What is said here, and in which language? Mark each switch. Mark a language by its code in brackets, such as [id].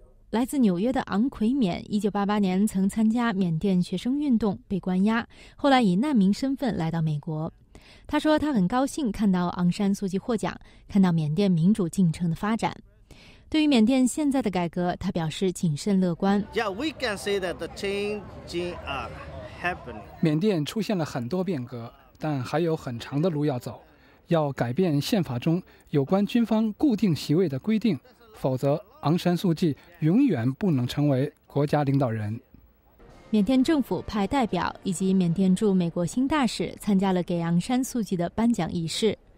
[zh] 来自纽约的昂奎缅1988年曾参加缅甸学生运动被关押，后来以难民身份来到美国。他说他很高兴看到昂山素季获奖，看到缅甸民主进程的发展。对于缅甸现在的改革，他表示谨慎乐观。 [en] Yeah, we can say that the changes are happening. [zh] 缅甸出现了很多变革，但还有很长的路要走。要改变宪法中有关军方固定席位的规定，否则昂山素季永远不能成为国家领导人。缅甸政府派代表以及缅甸驻美国新大使参加了给昂山素季的颁奖仪式。